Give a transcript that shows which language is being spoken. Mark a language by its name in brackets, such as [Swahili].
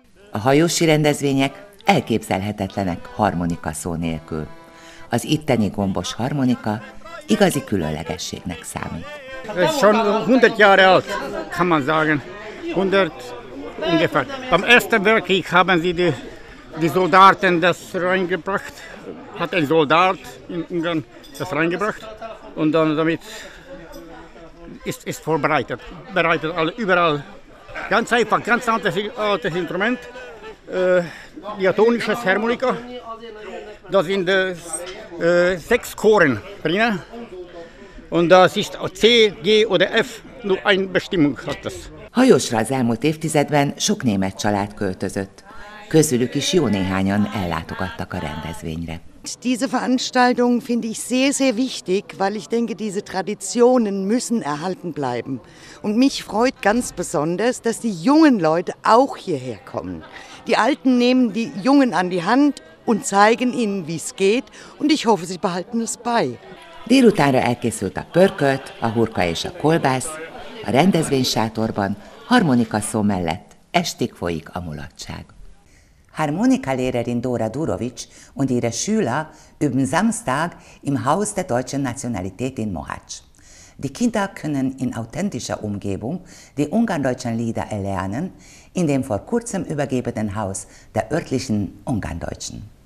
[Hungarian] A hajósi rendezvények elképzelhetetlenek harmonika szó nélkül. Az itteni gombos harmonika igazi különlegességnek számít. [German] Ez schon 100 Jahre alt, kann man sagen. 100 ungefähr. Beim ersten Weltkrieg haben sie die Soldaten das reingebracht. Hat ein Soldat in Ungarn das reingebracht und dann damit ist vorbereitet. Bereitet alle überall. Ganz einfach, ganz altes Instrument. Diatonisches Harmonika. Da sind sechs Choren drin. Und das ist C, G oder F. Nur eine Bestimmung hat das. [Hungarian] Hajósra az elmúlt évtizedben sok német család költözött. Közülük is jó néhányan ellátogattak a rendezvényre. [German] Diese Veranstaltung finde ich sehr, sehr wichtig, weil ich denke, diese Traditionen müssen erhalten bleiben. Und mich freut ganz besonders, dass die jungen Leute auch hierher kommen. Die Alten nehmen die Jungen an die Hand und zeigen ihnen, wie es geht. Und ich hoffe, sie behalten es bei. [Hungarian] Délutánra elkészült a pörkölt, a hurka és a kolbász. A rendezvénysátorban harmonika szó mellett estig folyik a mulatság. [German] Harmonika-lehrerin Dora Durovics und ihre Schüler üben Samstag im Haus der deutschen Nationalität in Mohács. Die Kinder können in authentischer Umgebung die ungarndeutschen Lieder erlernen, in dem vor kurzem übergebenen Haus der örtlichen Ungarndeutschen.